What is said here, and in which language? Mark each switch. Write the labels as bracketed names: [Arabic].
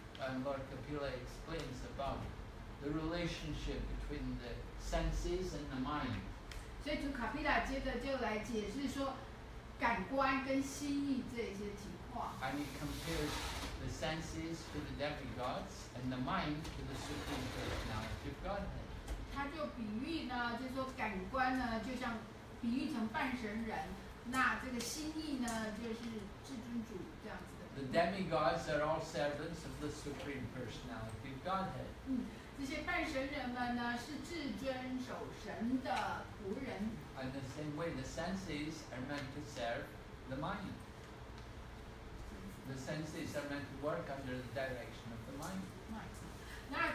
[English] And Lord Kapila explains about the relationship between the senses and the mind. [Chinese] 所以主Kapila接着就来解释说。 [English] And he compares the senses to the demigods and the mind to the Supreme Personality of Godhead. [Chinese] 他就比喻呢，就说感官呢，就像比喻成半神人，那这个心意呢，就是至尊主这样子的。 [English] The demigods are all servants of the Supreme Personality of Godhead. [Chinese] 这些半神人们呢，是至尊守神的仆人。 [English] In the same way, the senses are meant to serve the mind. The senses are meant to work under the direction of the mind.